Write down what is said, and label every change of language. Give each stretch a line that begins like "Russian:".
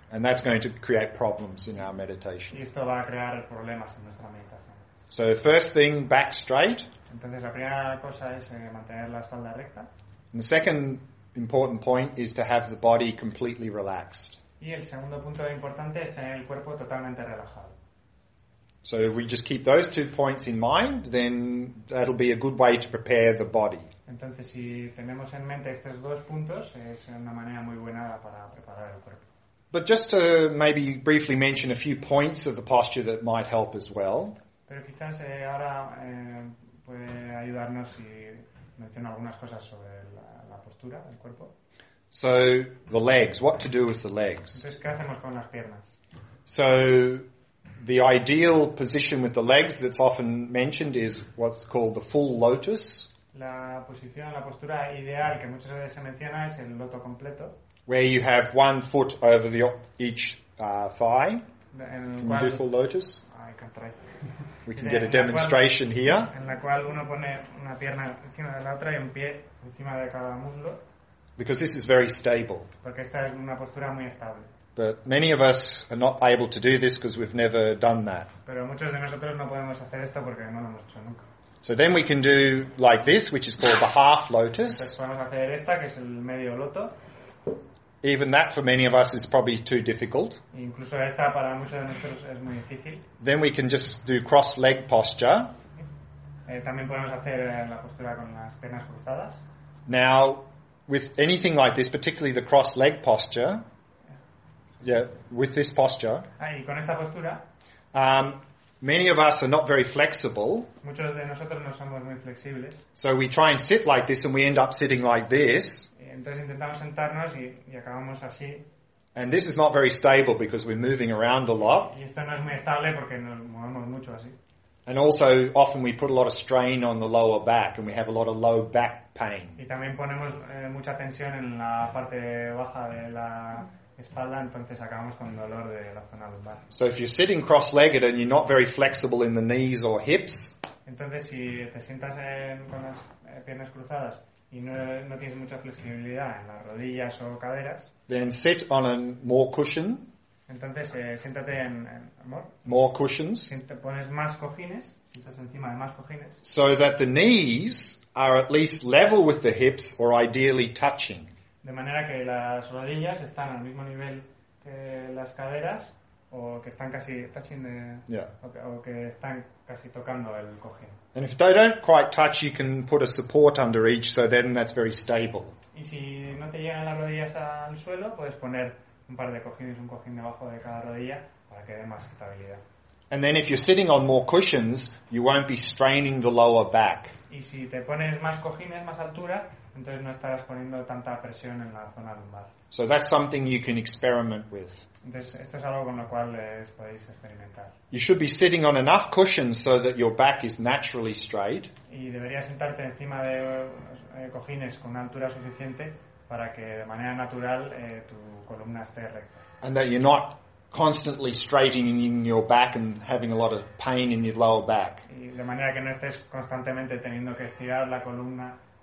English: And that's going to create problems in our meditation.
Spanish: Y esto va a crear problemas en nuestra meditación.
English: So the first thing, back straight.
Spanish: Entonces la primera cosa es mantener la espalda recta.
English: And the second important point is to have the body completely relaxed.
Spanish: Y el segundo punto importante es tener el cuerpo totalmente relajado.
English: So if we just keep those two points in mind, then that'll be a good way to prepare the body.
Spanish: Entonces, si tenemos en mente estos dos puntos, es una manera muy buena para preparar el cuerpo.
English: But just to maybe briefly mention a few points of the posture that might help as well.
Spanish: Pero quizás ahora puede ayudarnos si menciono algunas cosas sobre la postura del cuerpo.
English: So the legs. What to do with the legs?
Spanish: Entonces, ¿qué hacemos con las piernas?
English: So the ideal position with the legs that's often mentioned is what's called the full lotus.
Spanish: La posición, la postura ideal que muchas veces se menciona es el loto completo.
English: Where you have one foot over the each thigh.
Spanish: En el cual,
English: can you do full lotus? I can try. We can get a demonstration
Spanish: cual,
English: here.
Spanish: En la cual uno pone una pierna encima de la otra y un pie encima de cada muslo.
English: Because this is very stable.
Spanish: Porque esta es una postura muy estable.
English: But many of us are not able to do this because we've never done that.
Spanish: Pero muchos de nosotros no podemos hacer esto porque no lo hemos hecho nunca.
English: So then we can do like this, which is called the half lotus.
Spanish: Entonces podemos hacer esta, que es el medio loto.
English: Even that for many of us is probably too difficult.
Spanish: Incluso esta para muchos de nosotros es muy difícil.
English: Then we can just do cross leg posture.
Spanish: También podemos hacer la postura con las piernas cruzadas.
English: Now, with anything like this, particularly the cross leg posture. Yeah, with this posture.
Spanish: Ah, y con esta postura.
English: Many of us are not very flexible.
Spanish: Muchos de nosotros no somos muy flexibles.
English: So we try and sit like this and we end up sitting like this.
Spanish: Entonces intentamos sentarnos y acabamos así.
English: And this is not very stable because we're moving around a lot.
Spanish: Y esto no es muy estable porque nos movemos mucho así.
English: And also often we put a lot of strain on the lower back and we have a lot of low back pain.
Spanish: Y también ponemos mucha tensión en la parte baja de la espalda, entonces acabamos con dolor de la zona lumbar.
English: So if you're sitting cross-legged and you're not very flexible in the knees or hips,
Spanish: entonces si te sientas con las piernas cruzadas y no tienes mucha flexibilidad en las rodillas o caderas,
English: then sit on a more cushion.
Spanish: Entonces siéntate en
English: more cushions.
Spanish: Pones más cojines, sientas encima de más cojines.
English: So that the knees are at least level with the hips or ideally touching.
Spanish: De manera que las rodillas están al mismo nivel que las caderas o que están casi
English: touching
Spanish: o que están casi tocando el cojín.
English: And if they don't quite touch, you can put a support under each, so then that's very stable.
Spanish: Y si no te llegan las rodillas al suelo, puedes poner un par de cojines, un cojín debajo de cada rodilla para que dé más estabilidad.
English: And then if you're sitting on more cushions, you won't be straining the lower back.
Spanish: Y si te pones más cojines, más altura, entonces no estarás poniendo tanta presión en la zona lumbar.
English: So that's something you can experiment with.
Spanish: Entonces esto es algo con lo cual podéis experimentar.
English: You should be sitting on enough cushions so that your back is naturally straight.
Spanish: Y deberías sentarte encima de cojines con una altura suficiente para que de manera natural tu columna esté recta.
English: And that you're not constantly straightening your back and having a lot of pain in your lower back.
Spanish: Y de manera que no estés constantemente teniendo que estirar la columna.